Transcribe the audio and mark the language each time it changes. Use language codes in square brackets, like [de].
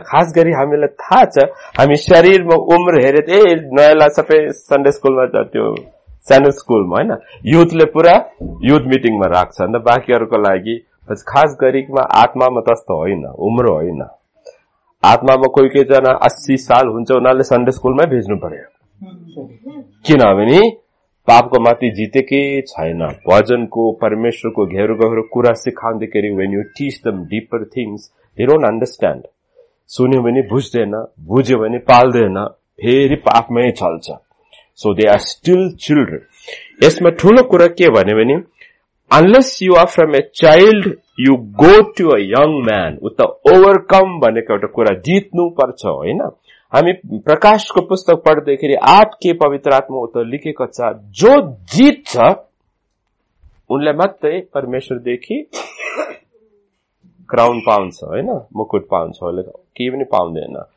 [ne] खास गरी हामीलाई थाहा छ हामी शरीरमा उम्र हेरे ए नयाँलाई सबै सन्डे स्कुलमा छ, त्यो सानो स्कुलमा होइन, युथले पुरा युथ मिटिङमा राख्छ, अन्त बाँकीहरूको लागि खास गरीमा आत्मामा त्यस्तो होइन, उम्र होइन, आत्मामा कोही कोहीजना 80 साल हुन्छ उनीहरूले सन्डे स्कुलमै भेज्नु पर्यो, किनभने पापको माथि जितेकै छैन। भजनको परमेश्वरको घेरो गहिरो कुरा सिकाउँदाखेरि [en] when you teach them deeper things they don't understand, [ne] सुन्यो भने बुझ्दैन, बुझ्यो भने पाल्दैन, फेरि पापमै चल्छ। [en] So they are still children. [ne] यसमा ठुलो कुरा के भन्यो भने [en] unless you are from a child you go to a young man, [ne] उता ओभरकम भनेको एउटा कुरा जित्नु पर्छ होइन। हामी प्रकाशको पुस्तक पढ्दाखेरि 8 के पवित्र आत्मा उता लेखेको छ, जो जित्छ उनले मात्रै परमेश्वरदेखि क्राउन पाउँछ होइन, मुकुट पाउँछ, उसले केही पनि पाउँदैन।